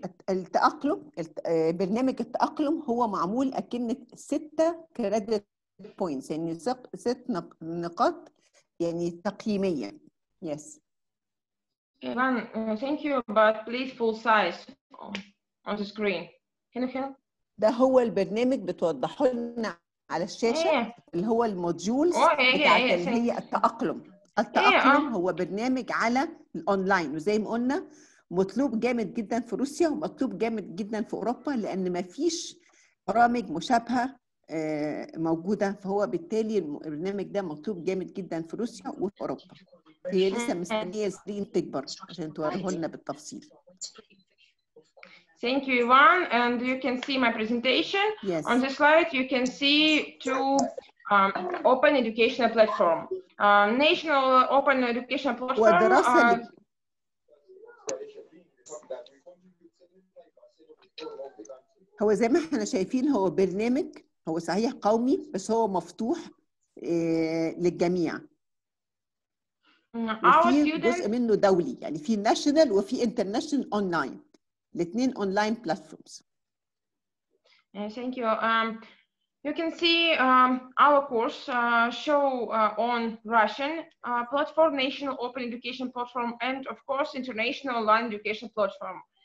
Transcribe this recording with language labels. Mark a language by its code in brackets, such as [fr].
[ar] التأقلم, برنامج التأقلم هو معمول أكنة 6 credit points, يعني 6 نقاط. يعني تقييميا. [en] Yes. Ivan, thank you, but please full size on the screen. Can you help? [ar] ده هو البرنامج بتوضحه لنا على الشاشة اللي هو الموديولز بتاعت اللي هي التأقلم. التأقلم هو برنامج على الأونلاين وزي ما قلنا مطلوب جامد جدا في روسيا ومطلوب جامد جدا في أوروبا لأن ما فيش برامج مشابهة موجودة فهو بالتالي البرنامج ده مطلوب جامد جدا في روسيا وفي أوروبا هي لسه مستنية السكرين تكبر عشان توريه لنا بالتفصيل. [en] Thank you, Ivan. And you can see my presentation. Yes. On the slide, you can see two open educational platform. National open educational platform. [ar] هو زي ما احنا شايفين هو برنامج هو صحيح قومي بس هو مفتوح للجميع. وفي جزء منه دولي يعني في ناشونال وفي انترناشونال اونلاين الاثنين اونلاين بلاتفورمز. [en] Thank you. You can see our course show on Russian platform, national open education platform and of course international online education platform.